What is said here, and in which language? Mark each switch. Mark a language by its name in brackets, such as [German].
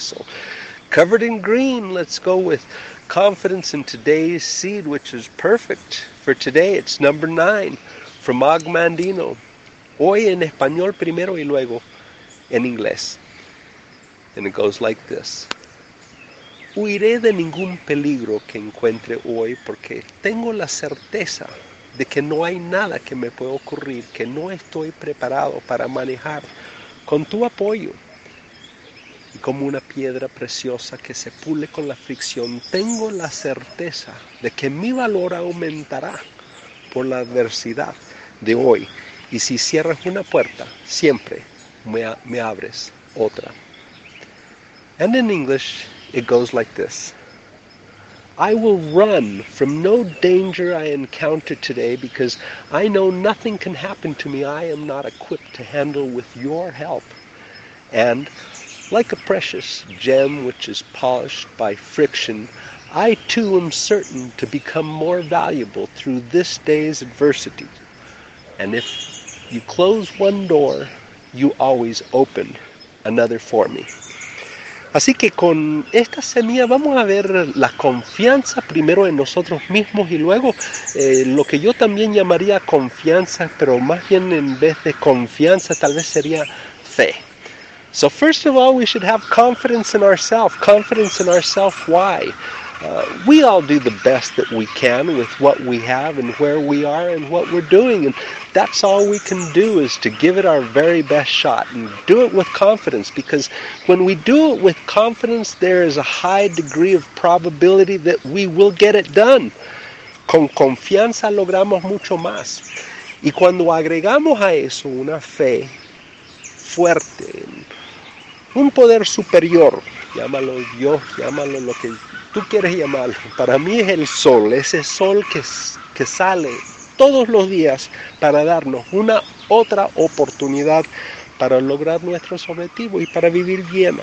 [English] So, covered in green, let's go with confidence in today's seed, which is perfect for today. It's number 9 from Og Mandino. [Spanish] Hoy en español primero y luego en inglés. [English] And it goes like this. [Spanish] Huiré de ningún peligro que encuentre hoy porque tengo la certeza de que no hay nada que me pueda ocurrir que no estoy preparado para manejar con tu apoyo. Y como una piedra preciosa que se pule con la fricción, tengo la certeza de que mi valor aumentará por la adversidad de hoy. Y si cierras una puerta, siempre me abres otra. [English] And in English, it goes like this. I will run from no danger I encounter today because I know nothing can happen to me I am not equipped to handle with your help. And like a precious gem which is polished by friction, I too am certain to become more valuable through this day's adversity. And if you close one door, you always open another for me. [Spanish] Así que con esta semilla vamos a ver la confianza primero en nosotros mismos y luego lo que yo también llamaría confianza, pero más bien en vez de confianza tal vez sería fe. [English] So first of all, we should have confidence in ourselves. Confidence in ourselves, why? We all do the best that we can with what we have and where we are and what we're doing. And that's all we can do is to give it our very best shot and do it with confidence. Because when we do it with confidence, there is a high degree of probability that we will get it done. [Spanish] Con confianza logramos mucho más. Y cuando agregamos a eso una fe fuerte, un poder superior, llámalo Dios, llámalo lo que tú quieres llamarlo. Para mí es el sol, ese sol que sale todos los días para darnos una otra oportunidad para lograr nuestros objetivos y para vivir bien.